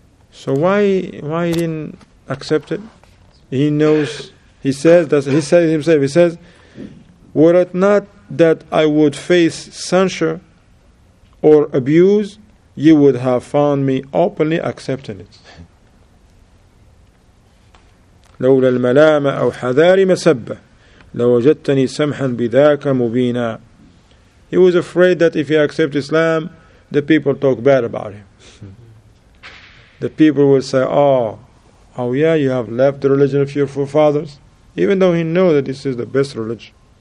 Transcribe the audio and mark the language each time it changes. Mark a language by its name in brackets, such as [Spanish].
[English] So why didn't accepted. He knows. He says that. He says himself. He says, "Were it not that I would face censure or abuse, you would have found me openly accepting it." [Arabic] لولا الملامة أو حذار مسبة لوجدتني سمحا بذاك مبينا. [English] He was afraid that if he accepts Islam, the people talk bad about him. the people will say, oh yeah, you have left the religion of your forefathers, even though he knew that this is the best religion.